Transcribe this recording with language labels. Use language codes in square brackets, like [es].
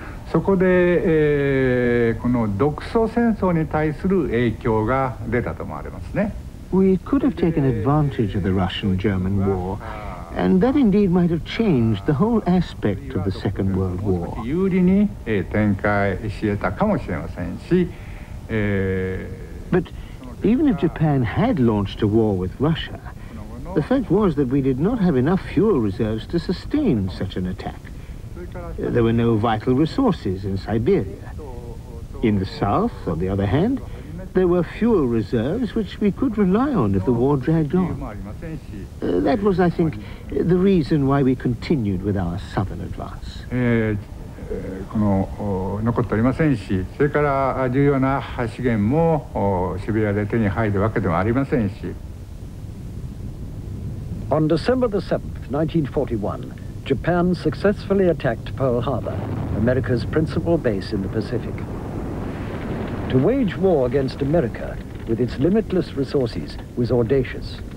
[ja] そこで、この独ソ戦争に対する影響が出たと思われますね。 [en] We could have taken advantage of the Russian-German war, and that indeed might have changed the whole aspect of the Second World War. [ja] 有利に展開し得たかもしれませんし、 [en] But even if Japan had launched a war with Russia, the fact was that we did not have enough fuel reserves to sustain such an attack. There were no vital resources in Siberia. In the south, on the other hand, there were fuel reserves which we could rely on if the war dragged on. That was, I think, the reason why we continued with our southern advance. [ja] この残っておりませんし、それから重要な資源もシベリアで手に入るわけでもありませんし。 [en] On December the 7th, 1941, Japan successfully attacked Pearl Harbor, America's principal base in the Pacific. To wage war against America, with its limitless resources, was audacious.